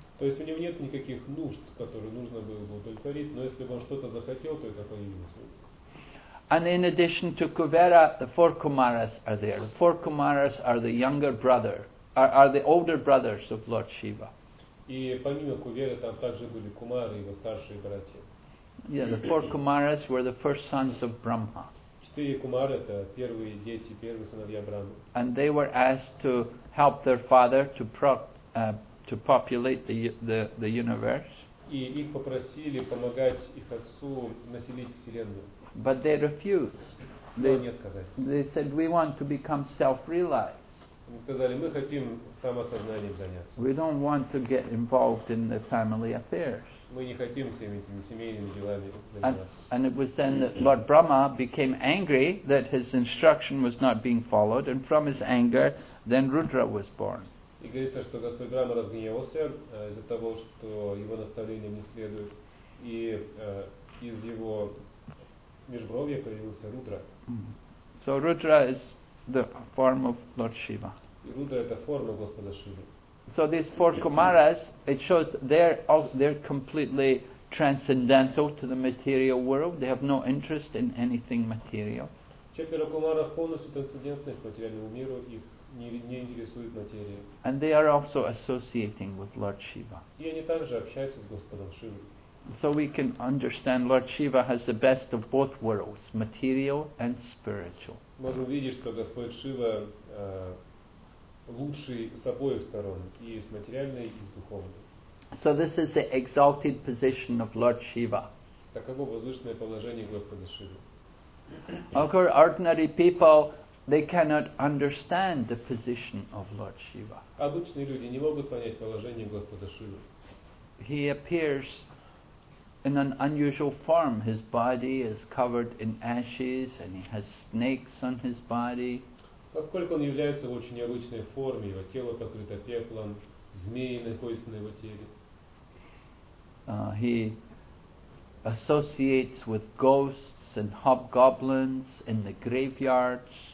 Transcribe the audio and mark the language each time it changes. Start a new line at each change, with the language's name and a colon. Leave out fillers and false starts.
Russian: То есть у него нет никаких нужд, которые нужно было бы удовлетворить, но если бы он что-то захотел, то это появилось.
English: And in addition to Kuvera, the four Kumaras are there. The four Kumaras are the younger brother, are the older brothers of Lord Shiva.
Russian: И помимо Куверы там также были Кумары, его старшие братья.
English: Yeah, the four Kumaras were the first sons of Brahma.
Russian: Четыре Кумары — это первые дети, первые сыновья Брахмы.
English: And they were asked to help their father to populate the universe.
Russian: И их попросили помогать их отцу населить вселенную.
English: But they refused. They said, "We want to become self-realized."
Russian: Они сказали, мы хотим самосознанием заняться.
English: We don't want to get involved in the family affairs.
Russian: Мы не хотим всеми этими семейными делами заниматься.
English: And it was then that Lord Brahma became angry that his instruction was not being followed, and from his anger, then Rudra was born.
Russian: И говорится, что Господь Брахма разгневался из-за того, что его наставления не следуют, и из его межбровья появился Рудра.
English: So Rudra is the form of Lord Shiva.
Russian: И Рудра — это форма Господа Шивы.
English: So these four Kumaras, it shows they're completely transcendental to the material world. They have no interest in anything material.
Russian: Четверо Кумаров полностью трансцендентны к материальному миру, их не интересует материя.
English: And they are also associating with Lord Shiva.
Russian: И они также общаются с Господом Шивой.
English: So we can understand Lord Shiva has the best of both worlds, material and spiritual.
Russian: Можно видеть, что Господь Шива лучший с обоих сторон, и с материальной, и с духовной.
English: So this is the exalted position of Lord Shiva.
Russian: Таково возвышенное положение Господа Шивы.
English: Okay, ordinary people, they cannot understand the position of Lord Shiva.
Russian: Обычные люди не могут понять положение Господа Шивы.
English: He appears in an unusual form. His body is covered in ashes and he has snakes on his body.
Russian: Поскольку он является в очень необычной форме, его тело покрыто пеплом, змеи находятся на его теле.
English: He associates with ghosts and hobgoblins in the graveyards.